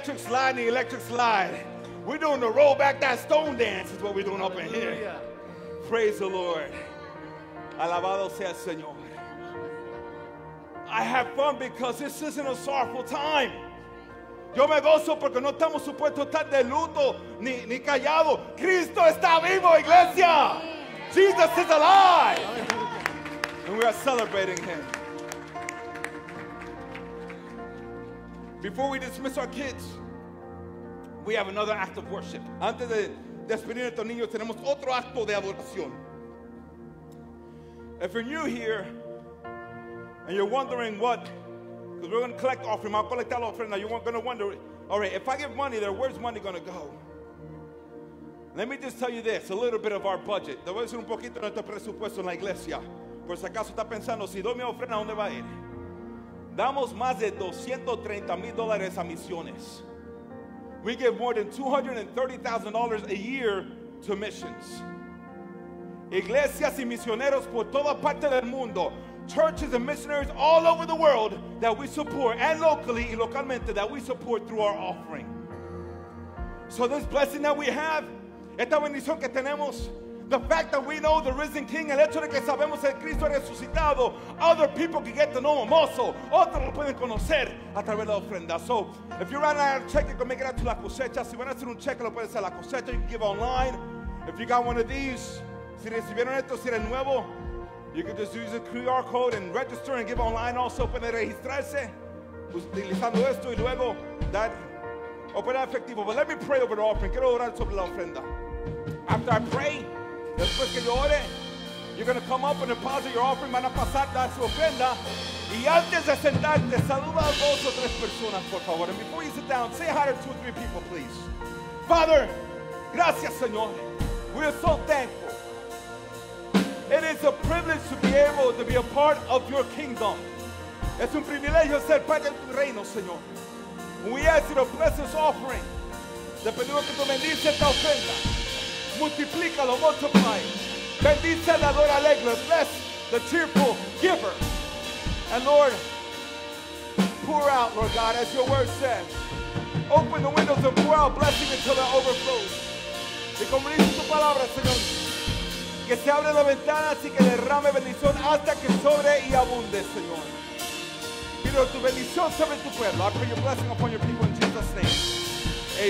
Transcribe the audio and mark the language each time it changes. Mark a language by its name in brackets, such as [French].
[English] We're doing the roll back that stone dance is what we're doing. Hallelujah. Up in here. Praise the Lord. [Spanish] Alabado sea el Señor. [English] I have fun because this isn't a sorrowful time. [Spanish] Yo me gozo porque no estamos supuestos a estar de luto ni callado. Cristo está vivo, iglesia. [English] Jesus is alive. And we are celebrating him. Before we dismiss our kids, we have another act of worship. [Spanish] Antes de despedir a estos niños, tenemos otro acto de adoración. [English] If you're new here and you're wondering what, because we're going to collect offering, I'll collect that offering. Now you're going to wonder, all right, if I give money there, where's money going to go? Let me just tell you this, a little bit of our budget. [Spanish] Te voy a decir un poquito de nuestro presupuesto en la iglesia. Por si acaso está pensando, si doy mi ofrenda, ¿dónde va a ir? Damos más de $230,000 a misiones. [English] We give more than $230,000 a year to missions. [Spanish] Iglesias y misioneros por toda parte del mundo. [English] Churches and missionaries all over the world that we support, and locally [Spanish] y localmente, [English] that we support through our offering. So this blessing that we have, [Spanish] esta bendición que tenemos, [English] the fact that we know the risen King, [Spanish] el hecho de que sabemos el Cristo resucitado, [English] other people can get to know him also. [Spanish] Otros lo pueden conocer a través de la ofrenda. [English] So, if you're running out of check, you can make it out to La Cosecha. [Spanish] Si van a hacer un cheque, lo pueden hacer a La Cosecha. [English] You can give online. If you got one of these, [Spanish] si recibieron esto, si eres nuevo, [English] you can just use a QR code and register and give online also. [Spanish] Pueden registrarse utilizando esto y luego dar ofrenda efectivo. [English] But let me pray over the offering. [Spanish] Quiero orar sobre la ofrenda. [English] After I pray, [Spanish] después que yo ore, [English] you're going to come up and deposit your offering. [Spanish] Van a pasar, dar su ofrenda. Y antes de sentarte, saluda a dos o tres personas, por favor. [English] And before you sit down, say hi to two or three people, please. Father, [Spanish] gracias, Señor. [English] We are so thankful. It is a privilege to be able to be a part of your kingdom. [Spanish] Es un privilegio ser parte de tu reino, Señor. [English] We ask you to bless this offering. [Spanish] Te pedimos que tú bendices esta ofrenda. Multiplícalo, [English] multiply. [Spanish] Bendice el dador alegre. [English] Bless the cheerful giver. And Lord, pour out, Lord God, as your word says. Open the windows and pour out blessing until it overflows. [Spanish] Y como dice tu palabra, Señor, que se abre la ventana y que derrame bendición hasta que sobre y abunde, Señor. Pido tu bendición sobre tu pueblo. [English] I pray your blessing upon your people in Jesus' name.